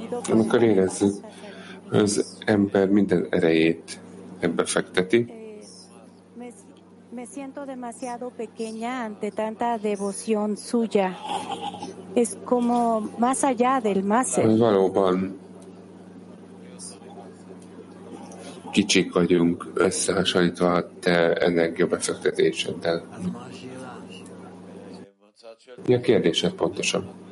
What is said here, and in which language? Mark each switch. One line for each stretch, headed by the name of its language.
Hungarian: Amikor érezzük, hogy az ember minden erejét ebbe fekteti.
Spanish: Me siento demasiado pequeña ante tanta devoción suya. Es como más allá del más.
Hungarian: Valóban kicsik vagyunk összehasonlítva a te energia befektetéseddel. Mi a kérdésed pontosan?